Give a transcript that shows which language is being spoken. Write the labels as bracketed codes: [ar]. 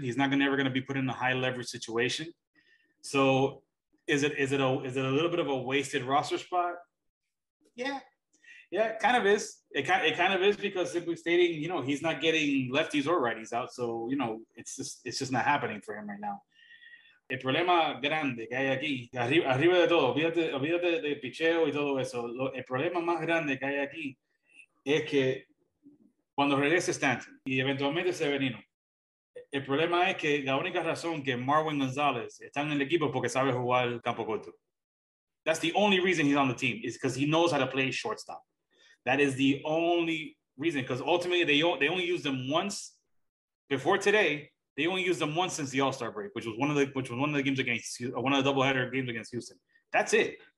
[en] He's not ever going to be put in a high leverage situation. So, is it a little bit of a wasted roster spot? Yeah. Yeah, kind of is. It kind of is, because simply stating, he's not getting lefties or righties out. So, it's just not happening for him right now. [es] El problema grande que hay aquí, arriba de todo, olvídate de picheo y todo eso. El problema más grande que hay aquí es que cuando regrese Stanton y eventualmente Severino, el problema es que la única razón que Marwin Gonzalez está en el equipo es porque sabe jugar el campo corto. [en] That's the only reason he's on the team, is because he knows how to play shortstop. That is the only reason, because ultimately they only used him once before today. They only used him once since the All-Star break, which was one of the games against one of the doubleheader games against Houston. That's it.